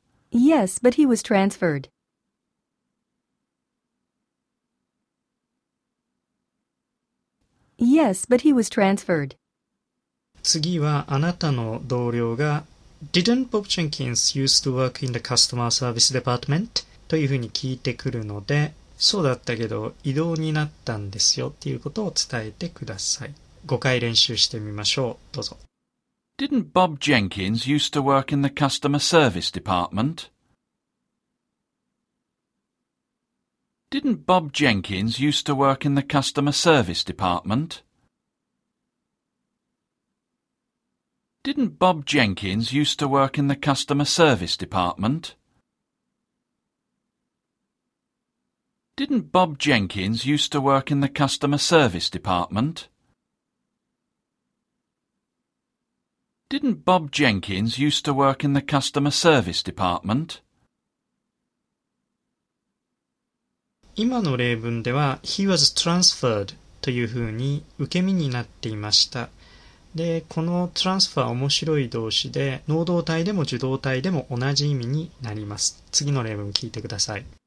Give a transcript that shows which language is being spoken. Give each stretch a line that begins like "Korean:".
English: Yes, but he was transferred. Yes, but he was transferred.
Japanese: 次はあなたの同僚が
English: Didn't Bob Jenkins used to work in the customer service department?
Japanese: というふうに聞いてくるのでそうだったけど異動になったんですよっていうことを伝えてください。 5回練習してみましょう。どうぞ。
English: Didn't Bob Jenkins used to work in the customer service department? Didn't Bob Jenkins used to work in the customer service department? Didn't Bob Jenkins used to work in the customer service department? Didn't Bob Jenkins used to work in the customer service department? Didn't Bob Jenkins used to work in the customer service department?
Japanese: 今の例文では
English: He was transferred
Japanese: というふうに受け身になっていました。で、この transfer 面白い動詞で能動態でも受動態でも同じ意味になります。次の例文聞いてください。